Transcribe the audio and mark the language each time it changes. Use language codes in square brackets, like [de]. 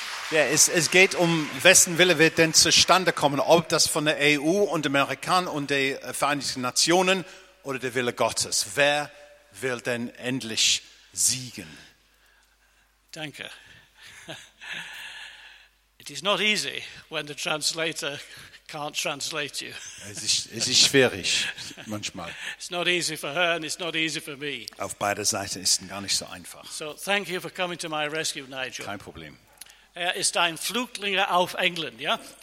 [de] Ja, es geht um, wessen Wille wird denn zustande kommen, ob das von der EU und Amerikan und den Vereinigten Nationen oder der Wille Gottes. Wer will denn endlich siegen? Danke. [en] It is not easy when the translator can't translate you. [de] Es ist schwierig manchmal. [en] It's not easy for her and it's not easy for me. [de] Auf beider Seite ist es gar nicht so einfach. [en] So thank you for coming to my rescue, Nigel. [de] Kein Problem. Er ist ein Flüchtling auf England, ja?